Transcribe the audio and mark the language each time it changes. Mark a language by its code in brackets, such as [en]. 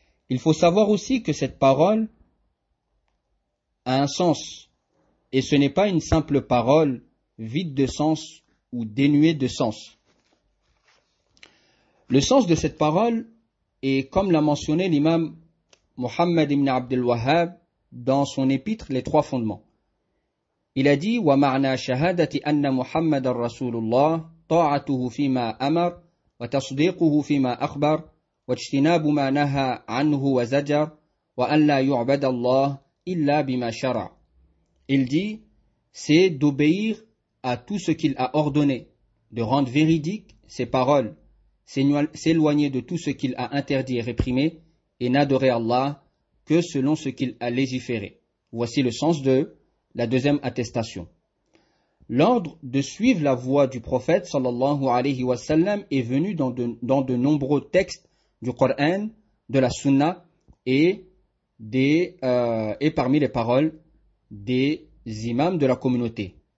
[fr] Il faut savoir aussi que cette parole a un sens, et ce n'est pas une simple parole vide de sens ou dénuée de sens. Le sens de cette parole est, comme l'a mentionné l'imam Muhammad ibn Abd al-Wahhab dans son épître « Les trois fondements ». Il a dit [ar] « وَمَعْنَا شَهَادَةِ أَنَّ مُحَمَّدَ رَسُولُ اللَّهِ طَاعَتُهُ فِي مَا أَمَرْ وَتَصْدِيقُهُ فِي مَا أَخْبَرْ وَاجْتِنَابُ مَا نَهَا عَنْهُ وَزَجَرْ وَأَنْ لَا يُعْبَدَ اللَّهِ إِلَّا بِمَا شَرَعْ » [fr] Il dit « C'est d'obéir à tout ce qu'il a ordonné, de rendre véridiques ses paroles, s'éloigner de tout ce qu'il a interdit et réprimé, et n'adorer Allah que selon ce qu'il a légiféré. Voici le sens de la deuxième attestation. L'ordre de suivre la voie du prophète sallallahu alayhi wa sallam est venu dans de nombreux textes du Coran, de la Sunna et parmi les paroles des imams de la communauté.